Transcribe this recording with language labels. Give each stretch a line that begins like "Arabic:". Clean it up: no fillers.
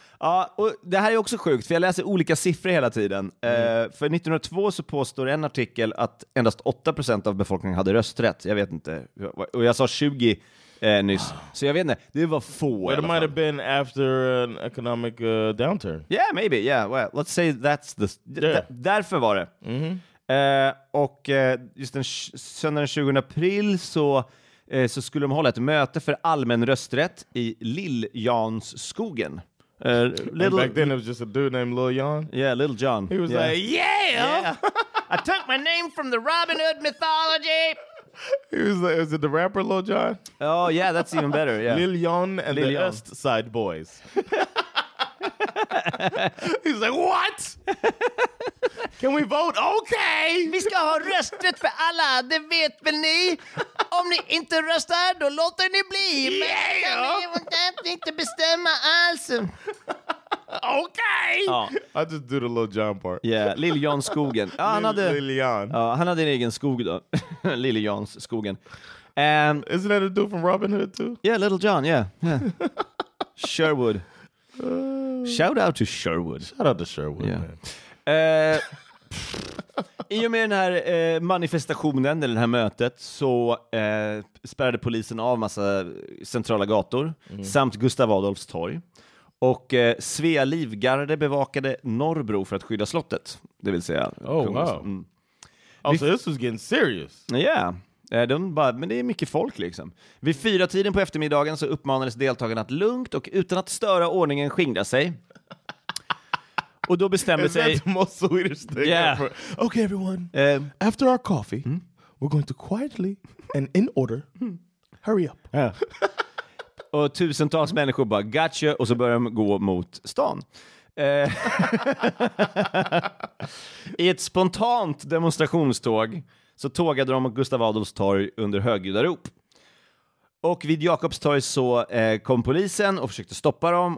Swedish: Ja, och det här är också sjukt, för jag läser olika siffror hela tiden. För 1902 så påstår en artikel att endast 8% av befolkningen hade rösträtt. Jag vet inte. Och jag sa 20 nyss. Så jag vet inte. Det var få.
English: It might have been after an economic downturn. Yeah, maybe. Yeah, well, let's say that's the...
Swedish: Därför var det. Mm-hmm. Och just den söndagen 20 april så skulle de hålla ett möte för allmän rösträtt i Lil Jans skogen.
English: Little, back then it was just a dude named Lil Jan. Yeah, Lil Jan. He was I took my name from the Robin Hood mythology. He was like, is it the rapper Lil Jan? Oh yeah, that's even better. Yeah. Lil Jan and Lil the Jan. East Side Boys. He's like, what? Can we vote? Okay!
Swedish: Vi ska ha rösträtt för alla, det vet väl ni. Om ni inte röstar, då låter ni bli. Men kan ni inte bestämma alls?
English: Okay! Ja. I just do the little John part.
Swedish: Yeah, Lil Jans skogen. Ja, Lil Jan. Ja, han hade en egen skog då. Lil Jans skogen.
English: Isn't that a dude from Robin Hood too? Yeah, Lil Jan, yeah. Sherwood. Shout out to Sherwood. Shout out to Sherwood, yeah. Man.
Swedish: I och med den här manifestationen eller det här mötet så spärrade polisen av massa centrala gator samt Gustav Adolfs torg. Och Svea Livgarde bevakade Norrbro för att skydda slottet. Det vill säga.
English: Oh, wow. Also, this was getting serious. Yeah.
Swedish: De bara, men det är mycket folk liksom. Vid 4-tiden på eftermiddagen så uppmanades deltagarna att lugnt och utan att störa ordningen skingra sig. Och då bestämde sig...
English: That's the most Swedish thing ever. Okay, everyone. After our coffee, we're going to quietly and in order, hurry up. Yeah.
Swedish: Och tusentals människor bara, gotcha, och så börjar de gå mot stan. I ett spontant demonstrationståg så tågade de mot Gustav Adolfs torg under högljudda rop. Och vid Jakobs torg så kom polisen och försökte stoppa dem.